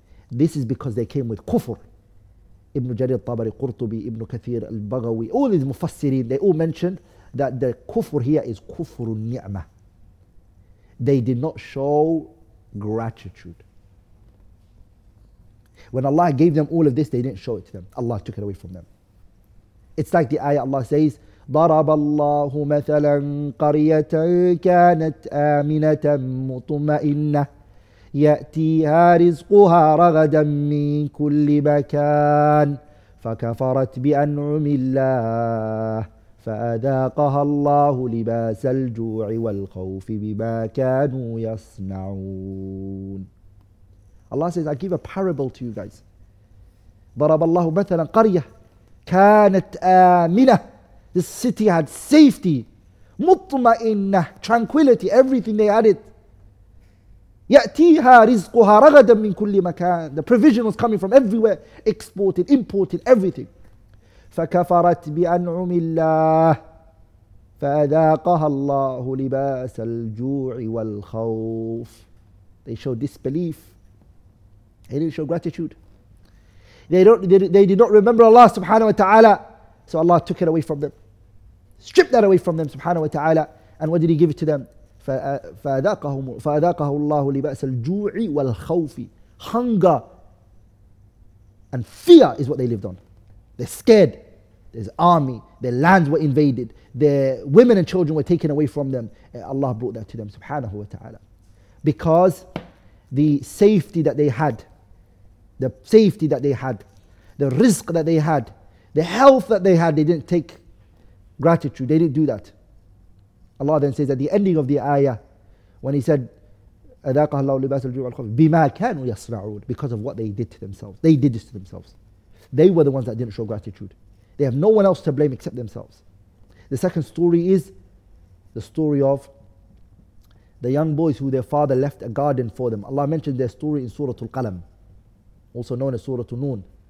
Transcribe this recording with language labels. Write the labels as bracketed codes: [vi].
[en] This is because they came with kufr. Ibn Jarir al-Tabari, Qurtubi, Ibn Kathir al-Baghawi, all these mufassirin, they all mentioned that the kufr here is kufr al-ni'mah. They did not show gratitude. When Allah gave them all of this, they didn't show it to them. Allah took it away from them. It's like the ayah Allah says, [ar] ضَرَبَ اللَّهُ مَثَلًا قَرْيَةً كَانَتْ آمِنَةً مُطْمَئِنَّةً يأتيها رزقها رغدا من كل مكان فكفرت بأنعم الله فأذاقها الله لباس الجوع والخوف بما كانوا يصنعون. [en] Allah says, I give a parable to you guys. [ar] ضرب الله مثلا قرية كانت آمنة. [en] This city had safety, [ar] مطمئنة, [en] tranquility, everything they had it. [ar] يَأْتِيهَا رِزْقُهَا رَغَدًا مِّن كُلِّ مَكَانٍ. [en] The provision was coming from everywhere, exported, imported, everything. [ar] فَكَفَرَتْ بِأَنْعُمِ اللَّهِ فَأَذَاقَهَا اللَّهُ لِبَاسَ الْجُوعِ وَالْخَوْفِ. [en] They showed disbelief. They didn't show gratitude. They did not remember Allah subhanahu wa ta'ala. So Allah took it away from them. Stripped that away from them subhanahu wa ta'ala. And what did he give it to them? [ar] فأذاقه الله لباس الجوع والخوف. [en] Hunger and fear is what they lived on. They're scared. There's army. Their lands were invaded. Their women and children were taken away from them. And Allah brought that to them, subhanahu wa ta'ala. Because the safety that they had, the safety that they had, the rizq that they had, the health that they had, they didn't take gratitude. They didn't do that. Allah then says at the ending of the ayah, when he said, [ar] أذاقها الله لباس الجوع والخوف بما كانوا يصنعون. [en] Because of what they did to themselves. They did this to themselves. They were the ones that didn't show gratitude. They have no one else to blame except themselves. The second story is the story of the young boys who their father left a garden for them. Allah mentioned their story in Surah Al-Qalam, also known as Surah Al-Noon.